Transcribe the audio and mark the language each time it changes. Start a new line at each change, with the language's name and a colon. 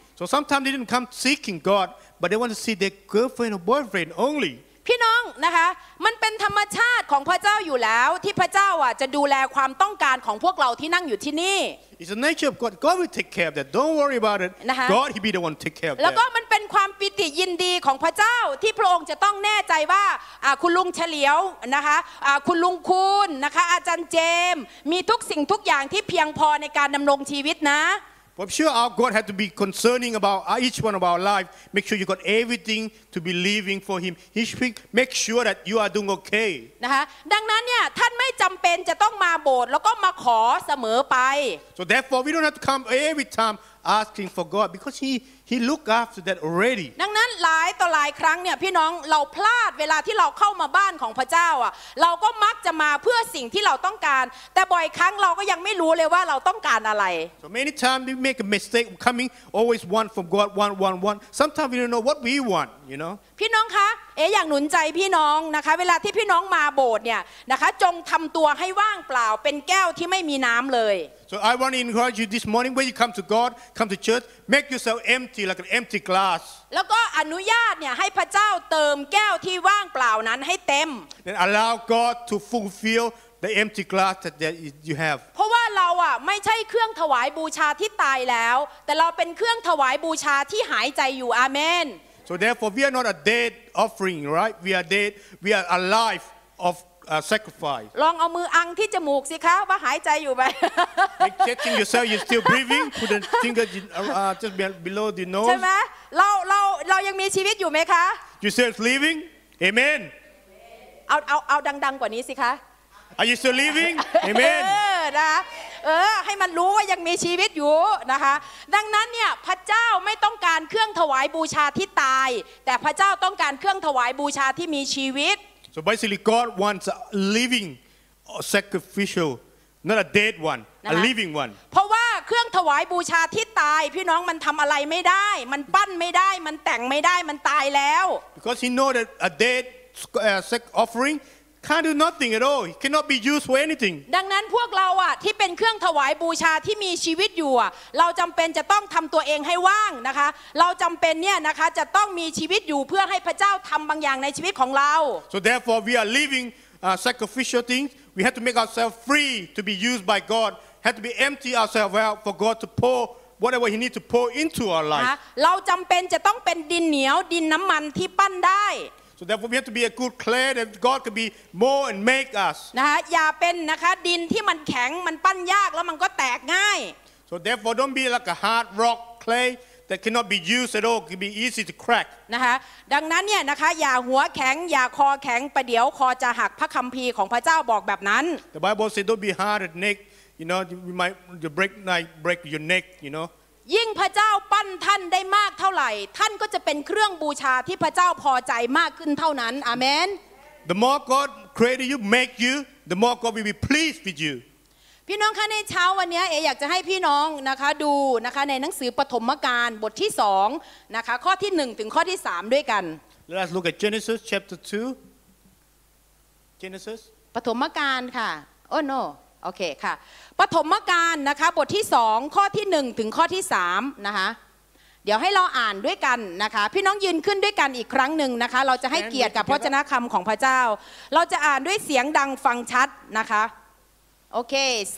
English: So sometimes they didn't come seeking God but they want to see their girlfriend or boyfriend only
Thai: พี่น้องนะคะมันเป็นธรรมชาติของพระเจ้าอยู่แล้วที่พระเจ้าอ่ะจะดูแลความต้องการของพวกเราที่นั่งอยู่ที่นี่
English: It's the nature of God. God will take care of that. Don't worry about it.
Thai: นะคะ
English: God he be the one to take care of that.
Thai: แล้วก็มันเป็นความปิติยินดีของพระเจ้าที่พระองค์จะต้องแน่ใจว่าคุณลุงเฉลียวนะคะคุณลุงคุณนะคะอาจารย์เจมมีทุกสิ่งทุกอย่างที่เพียงพอในการดำรงชีวิตนะ
English: I'm sure our God had to be concerning about each one of our lives. Make sure you got everything to be living for Him. He should make sure that you are doing okay.
Thai: นะคะดังนั้นเนี่ยท่านไม่จำเป็นจะต้องมาโบสถ์แล้วก็มาขอเสมอไป
English: So therefore, we don't have to come every time asking for God because He He looked after that already.
Thai: ดังนั้นหลายต่อหลายครั้งเนี่ยพี่น้องเราพลาดเวลาที่เราเข้ามาบ้านของพระเจ้าอ่ะเราก็มักจะมาเพื่อสิ่งที่เราต้องการแต่บ่อยครั้งเราก็ยังไม่รู้เลยว่าเราต้องการอะไร
English: So many times we make a mistake coming always want from God want sometimes we don't know what we want you know
Thai: พี่น้องคะเอ๊อยากหนุนใจพี่น้องนะคะเวลาที่พี่น้องมาโบสถ์เนี่ยนะคะจงทำตัวให้ว่างเปล่าเป็นแก้วที่ไม่มีน้ำเลย
English: So I want to encourage you this morning when you come to God, come to church, make yourself empty like an empty glass.
Thai: แล้วก็อนุญาตเนี่ยให้พระเจ้าเติมแก้วที่ว่างเปล่านั้นให้เต็ม
English: Then allow God to fulfill the empty glass that you have.
Thai: เพราะว่าเราอ่ะไม่ใช่เครื่องถวายบูชาที่ตายแล้วแต่เราเป็นเครื่องถวายบูชาที่หายใจอยู่ Amen.
English: So therefore we are not a dead offering, right? We are dead. We are alive ofsacrifice
Thai: ลองเอามืออังที่จมูกสิคะว่าหายใจอยู่ไ
English: หม Like checking yourself you're still breathing put the finger just below the nose
Thai: ใช่ไหมเรายังมีชีวิตอยู่ไหมคะ
English: You're still living Amen
Thai: เอาดังๆกว่านี้สิคะ
English: Are you still living Amen
Thai: นะเออให้มันรู้ว่ายังมีชีวิตอยู่นะคะดังนั้นเนี่ยพระเจ้าไม่ต้องการเครื่องถวายบูชาที่ตายแต่พระเจ้าต้องการเครื่องถวายบูชาที่มีชีวิต
English: So basically, God wants a living sacrificial, not a dead one, a living one.
Thai: เพราะว่าเครื่องถวายบูชาที่ตายพี่น้องมันทำอะไรไม่ได้มันปั้นไม่ได้มันแต่งไม่ได้มันตายแล้ว
English: Because he knows that a dead offering can't do nothing at all. He cannot be used for anything.
Thai: ดังนั้นพวกเราอ่ะที่เป็นเครื่องถวายบูชาที่มีชีวิตอยู่อ่ะเราจำเป็นจะต้องทำตัวเองให้ว่างนะคะเราจำเป็นเนี่ยนะคะจะต้องมีชีวิตอยู่เพื่อให้พระเจ้าทำบางอย่างในชีวิตของเรา
English: So therefore we are living sacrificial things. We have to make ourselves free to be used by God. Have to be empty ourselves out for God to pour whatever He needs to pour into our life.
Thai: เราจำเป็นจะต้องเป็นดินเหนียวดินน้ำมันที่ปั้นได้
English: So therefore, we have to be a good clay that God can be more and make us.
Thai: นะฮะอย่าเป็นนะคะดินที่มันแข็งมันปั้นยากแล้วมันก็แตกง่าย
English: So therefore, don't be like a hard rock clay that cannot be used at all. It can be easy to crack.
Thai: นะฮะดังนั้นเนี่ยนะคะอย่าหัวแข็งอย่าคอแข็งประเดี๋ยวคอจะหักพระคัมภีร์ของพระเจ้าบอกแบบนั้น
English: The Bible says, don't be hard at neck. You know, you might break your neck. You know.
Thai: ยิ่งพระเจ้าปั้นท่านได้มากเท่าไหร่ท่านก็จะเป็นเครื่องบูชาที่พระเจ้าพอใจมากขึ้นเท่านั้นอาเมน
English: The more God created you make you the more God will be pleased with you
Thai: พี่น้องคะในเช้าวันนี้เออยากจะให้พี่น้องนะคะดูนะคะในหนังสือปฐมกาลบทที่2นะคะข้อที่1ถึงข้อที่3ด้วยกัน
English: Let's look at Genesis chapter 2 Genesis
Thai: ปฐมกาลค่ะ
English: Oh no
Thai: โอเคค่ะปฐมกาลนะคะบทที่2ข้อที่1ถึงข้อที่3นะคะเดี๋ยวให้เราอ่านด้วยกันนะคะพี่น้องยืนขึ้นด้วยกันอีกครั้งนึงนะคะเราจะให้เกียรติกับพระวจนะคำของพระเจ้าเราจะอ่านด้วยเสียงดังฟังชัดนะคะโอเค3 4